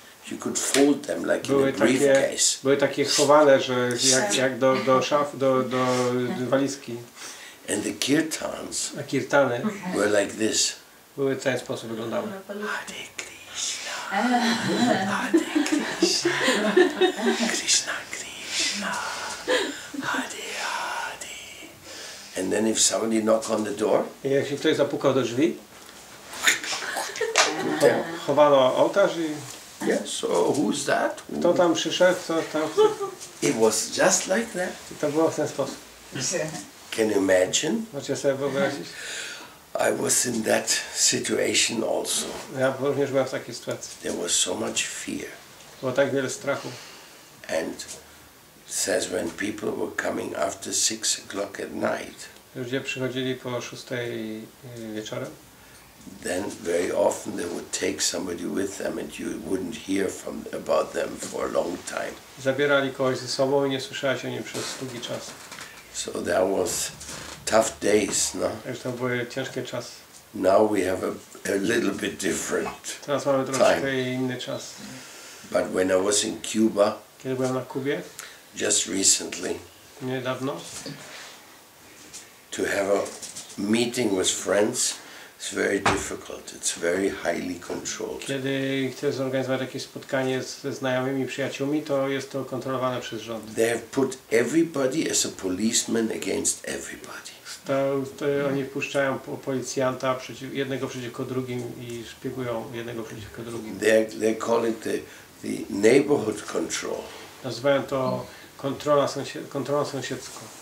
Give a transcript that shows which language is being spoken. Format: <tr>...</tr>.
<en>You could fold them like in a briefcase.</en> <pl>Były takie chowane, że jak do szaf, do walizki.</pl> <en>And the kirtans,</en> <pl>a kirtany,</pl> <en>were like this.</en> <pl>Były w ten sposób wyglądały.</pl> <sa>Hare Krishna, Hare Krishna, Krishna Krishna, Hare Hare.</sa> <en>And then if somebody knock on the door,</en> <pl>i jeśli ktoś zapukał do drzwi, chowano ołtarz i.</pl> <en>Yeah, so who's that?</en> <pl>Kto tam przyszedł, kto tam.</pl> <en>It was just like that.</en> <pl>I to było w ten sposób.</pl> <en>Can you imagine?</en> <pl>Możecie sobie wyobrazić?</pl> <en>I was in that situation also.</en> <pl>Ja również byłem w takiej sytuacji.</pl> <en>There was so much fear.</en> <pl>Było tak wiele strachu.</pl> <en>And says when people were coming after 6 o'clock at night.</en> <pl>Ludzie przychodzili po 6 wieczorem.</pl> <en>Then very often they would take somebody with them and you wouldn't hear from about them for a long time.</en> <pl>Zabierali kogoś ze sobą i nie słyszałeś o nim przez długi czas.</pl> <en>So that was tough days, no?</en> <pl>To były ciężkie czasy.</pl> <en>Now we have a little bit different.</en> <pl>Teraz mamy troszkę inny czas.</pl> <en>But when I was in Cuba,</en> <pl>kiedy byłem na Kubie,</pl> <en>just recently,</en> <pl>niedawno,</pl> <en>to have a meeting with friends, it's very difficult. It's very highly controlled.</en> <pl>Kiedy chcesz zorganizować jakieś spotkanie ze znajomymi, przyjaciółmi, to jest to kontrolowane przez rząd.</pl> <en>They have put everybody as a policeman against everybody.</en> <pl>To oni wpuszczają policjanta jednego przeciwko drugim i szpiegują jednego przeciwko drugim.</pl> <en>They call it the neighborhood control.</en> <pl>Nazywają to kontrolą sąsiedzką.</pl>